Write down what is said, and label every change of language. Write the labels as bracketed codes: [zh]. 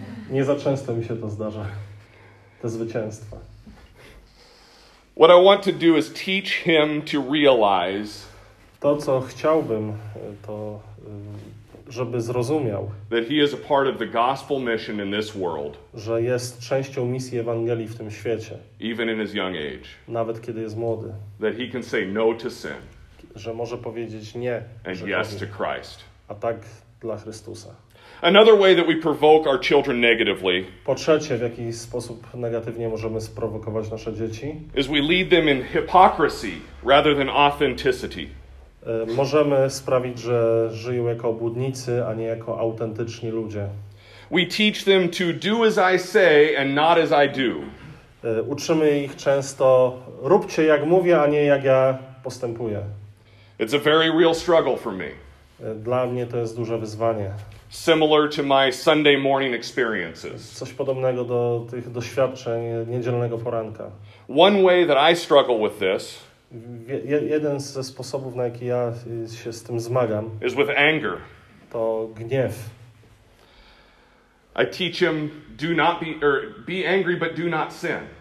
[pl] Nie za często mi się to zdarza, te zwycięstwa. [en] What I want to do is teach him to realize. [pl] To co chciałbym, to żeby zrozumiał. [en] That he is a part of the gospel mission in this world. [pl] Że jest częścią misji Ewangelii w tym świecie. [en] Even in his young age. [pl] Nawet kiedy jest młody. [en] That he can say no to sin. [pl] Że może powiedzieć nie. [en] And yes to Christ. [pl] A tak dla Chrystusa. [en] Another way that we provoke our children negatively. [pl] Po trzecie, w jaki sposób negatywnie możemy sprowokować nasze dzieci? [en] Is we lead them in hypocrisy rather than authenticity. [pl] Możemy sprawić, że żyją jako obłudnicy, a nie jako autentyczni ludzie. [en] We teach them to do as I say and not as I do. [pl] Uczymy ich często, róbcie jak mówię, a nie jak ja postępuję. [en] It's a very real struggle for me. [pl] Dla mnie to jest duże wyzwanie. [en] Similar to my Sunday morning experiences. [pl] Coś podobnego do tych doświadczeń niedzielnego poranka. [en] One way that I struggle with this. [pl] Jeden ze sposobów, na jaki ja się z tym zmagam. [en] Is with anger. [pl] To gniew. [en] I teach him do not be or be angry but do not sin.